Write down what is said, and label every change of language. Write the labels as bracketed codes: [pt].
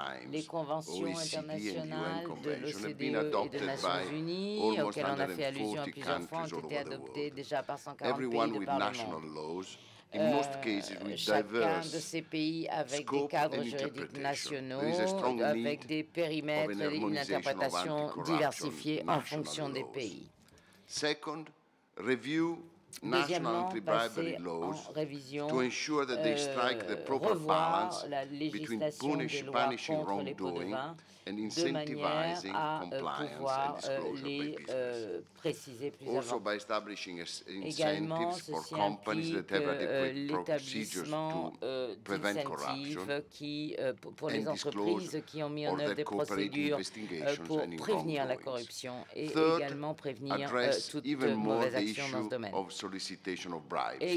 [fr] Les conventions internationales de l'OCDE et des Nations Unies, auxquelles on a fait allusion à plusieurs fois, ont été adoptées déjà par 140 pays de parlement. [en] In most cases with [fr] chacun de ces pays avec des cadres juridiques nationaux, avec des périmètres et une interprétation diversifiée en fonction des pays. [en] Second, review national anti-bribery laws [fr] révision, [en] to ensure that they strike the proper balance between punishing wrongdoing and incentivizing compliance and disclosure of big business. Also by [fr] Également, ceci implique l'établissement d'incentives pour les entreprises qui ont mis en œuvre des procédures pour prévenir la corruption et également prévenir toute mauvaise action dans ce domaine.